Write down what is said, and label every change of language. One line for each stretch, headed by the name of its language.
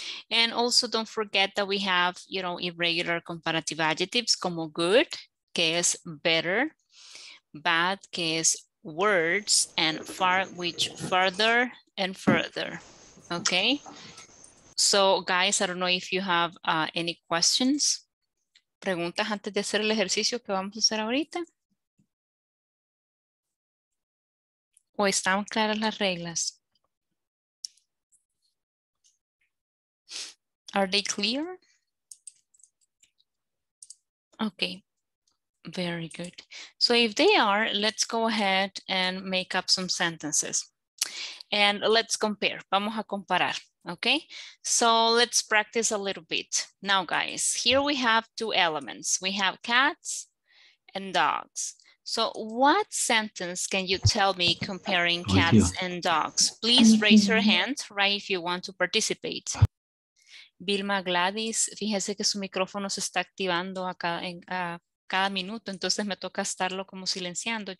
English: And also don't forget that we have, you know, irregular comparative adjectives como good, que es better, bad, que es worse, and far, which further and further, okay? So guys, I don't know if you have any questions.
Spanish: Preguntas antes de hacer el ejercicio que vamos a hacer ahorita. ¿O están claras las reglas?
English: Are they clear? Okay, very good. So if they are, let's go ahead and make up some sentences. And let's compare. Vamos a comparar. Okay, so let's practice a little bit. Now, guys, here we have two elements. We have cats and dogs. So what sentence can you tell me comparing cats and dogs? Please raise your hand, right, if you want to participate.
Spanish: Vilma Gladys, fíjese que su micrófono se está activando acá en cada minuto, entonces me toca estarlo como silenciando.